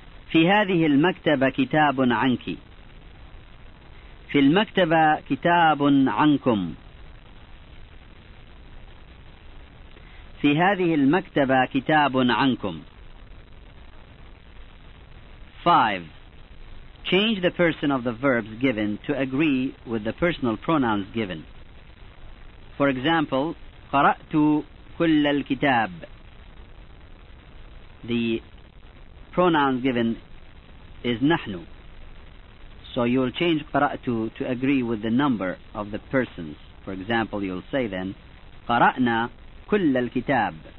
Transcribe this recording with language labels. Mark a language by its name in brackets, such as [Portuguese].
[Arabic] في هذه المكتبة كتاب عنك. في المكتبة كتاب عنكم. في هذه المكتبة كتاب عنكم. 5. [English] Change the person of the verbs given to agree with the personal pronouns given. For example, [Arabic] قرأت كل الكتاب. [English] The pronoun given is نحن. So you'll change قرأت to agree with the number of the persons. For example, you'll say then, [Arabic] قرأنا كل الكتاب.